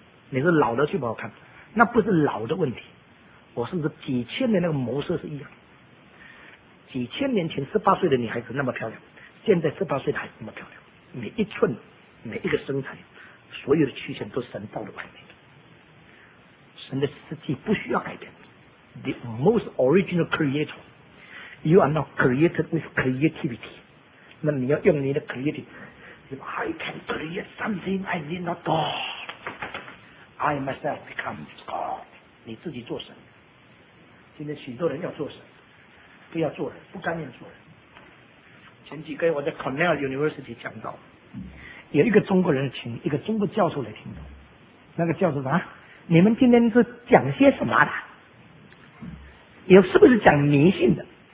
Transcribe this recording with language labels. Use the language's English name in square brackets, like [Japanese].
[Chinese] 你是老的去不好看，那不是老的问题，我甚至几千年那个模式是一样，几千年前十八岁的女孩子那么漂亮，现在十八岁的还那么漂亮，每一寸每一个身材所有的曲线都神造的完美，神的实际不需要改变。 [English] The most original creator, you are not created with creativity, [Chinese] 那你要用你的 [English] creativity, if I can create something I need not God, I myself become God, [Chinese] 你自己做神。今天许多人要做神，不要做人，不甘愿做人。前几个月我在 Cornell University 讲到，有一个中国人请一个中国教授来听到，那个教授说，你们今天是讲些什么的，有是不是讲迷信的？